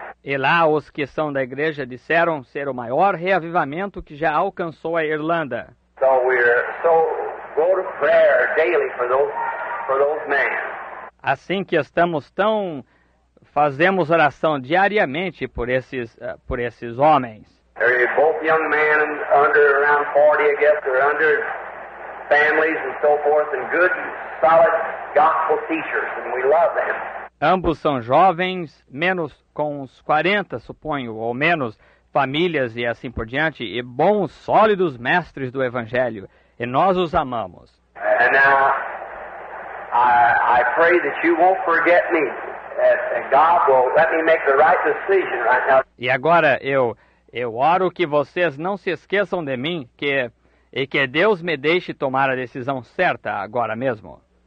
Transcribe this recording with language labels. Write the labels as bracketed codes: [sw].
[pt] E lá os que são da igreja disseram ser o maior reavivamento que já alcançou a Irlanda. [en] So we're so go to prayer daily for those men. [pt] Assim que estamos tão fazemos oração diariamente por esses homens. [en] They're both young men under around 40, I guess, they're under families and so forth, and good, solid gospel teachers, and we love them. [pt] Ambos são jovens, menos com uns 40, suponho, ou menos, famílias e assim por diante, e bons, sólidos mestres do Evangelho, e nós os amamos. [en] And now, I pray that you won't forget me, that God will let me make the right decision right now. [pt] E agora eu oro que vocês não se esqueçam de mim que Deus me deixe tomar a decisão certa agora mesmo.